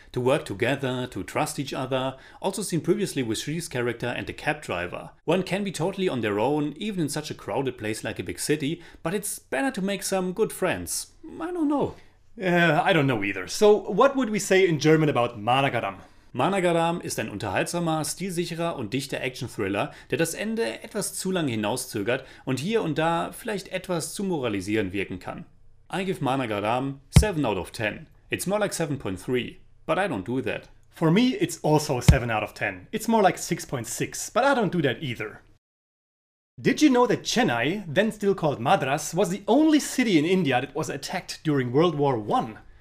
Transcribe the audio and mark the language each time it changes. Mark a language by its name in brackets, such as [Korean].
[English] To work together, to trust each other. Also seen previously with Shri's character and the cab driver. One can be totally on their own, even in such a crowded place like a big city, but it's better to make some good friends. I don't know. I don't know either. So what would we say in German about Maanagaram? [German] Maanagaram ist ein unterhaltsamer, stilsicherer und dichter Action-Thriller, der das Ende etwas zu lange hinauszögert und hier und da vielleicht etwas zu moralisieren wirken kann. [English] I give Maanagaram 7 out of 10. It's more like 7.3, but I don't do that. For me, it's also 7 out of 10. It's more like 6.6, but I don't do that either. Did you know that Chennai, then still called Madras, was the only city in India that was attacked during World War I?